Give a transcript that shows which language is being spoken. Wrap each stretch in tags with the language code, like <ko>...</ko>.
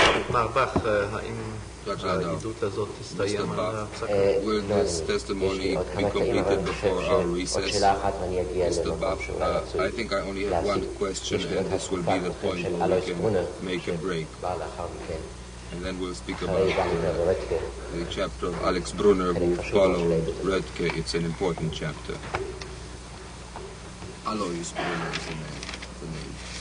<he>מר בך, האם העדות הזאת תסתיים על הפסקה?</he> <en>Will this testimony be completed before our recess?</en> <he>עוד שאלה אחת ואני אגיע למקום שאולי צריך להסיק. יש לי עוד תקופה אחת של אלויס ברונר שבא לאחר מכן.</he> <en>And then we'll speak about the chapter of Alex Brunner who followed Redke. It's an important chapter. Alois Brunner is the name.</en>